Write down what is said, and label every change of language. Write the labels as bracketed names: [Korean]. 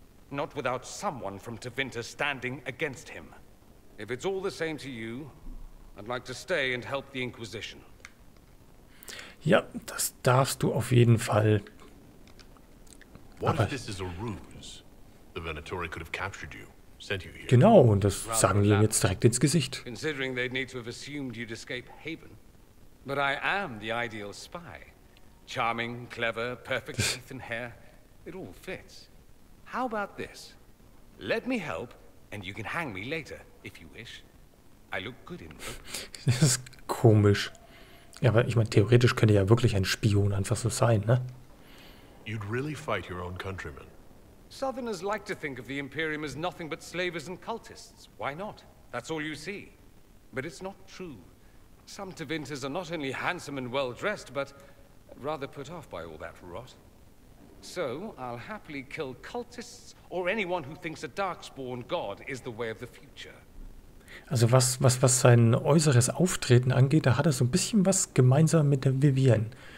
[English] Not without someone from Tevinter standing against him. If it's all the same to you, I'd like to stay and help the Inquisition. [German] Ja, das darfst du auf jeden Fall. [English] What if this is a ruse? The Venatori could have captured you, sent you here. [German] Genau, und das sagen die ihm jetzt direkt ins Gesicht. [English] Considering they'd need to have assumed you'd escape Haven. But I am the ideal spy. Charming, clever, perfect teeth and hair. It all fits. How about this? Let me help, and you can hang me later, if you wish. I look good in [German] Das ist komisch. Ja, aber ich meine, theoretisch könnte ja wirklich ein Spion einfach so sein, ne? [English] You'd really fight your own countrymen. Southerners like to think of the Imperium as nothing but slavers and cultists. Why not? That's all you see. But it's not true. Some Tevinters are not only handsome and well-dressed, but rather put off by all that rot. So, I'll happily kill cultists or anyone who thinks a darkspawn god is the way of the future. [German] Also was sein äußeres Auftreten angeht, da hat er so ein bisschen was gemeinsam mit der Vivienne.